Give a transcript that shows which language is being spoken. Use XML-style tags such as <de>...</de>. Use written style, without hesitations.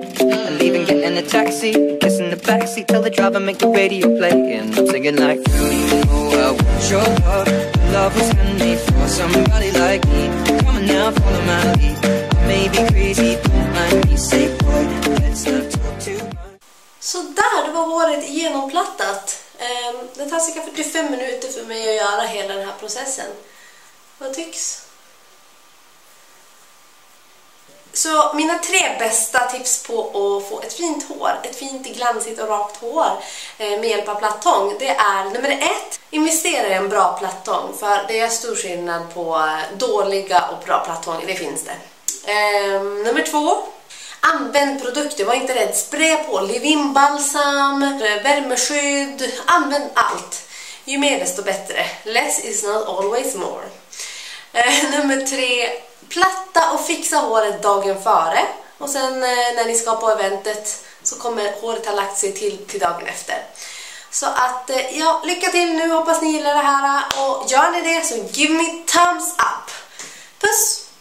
<en>And leaving, getting a taxi, kissing the backseat, tell the driver make the radio play. And I'm singing like, girl, you know I want your love. Love was handmade for somebody like me. Come on now, follow my lead. I may be crazy, don't mind me. Say boy, let's not talk too much.</en> <sv>Så där, det var håret genomplattat. Det tar cirka 45 minuter för mig att göra hela den här processen. Vad tycks? Så mina tre bästa tips på att få ett fint hår, ett fint glansigt och rakt hår med hjälp av plattång, det är nummer ett, investera i en bra plattång, för det är stor skillnad på dåliga och bra plattång, det finns det. Nummer två, använd produkter, var inte rädd, sprä på leave-in balsam, värmeskydd, använd allt. Ju mer desto bättre,</sv> <en>less is not always more.</en> <sv>Nummer tre, platta och fixa håret dagen före. Och sen när ni ska på eventet så kommer håret ha lagt sig till dagen efter. Så att ja, lycka till nu. Hoppas ni gillar det här. Och gör ni det så</sv> <en>give me thumbs up.</en> <sv>Puss!</sv>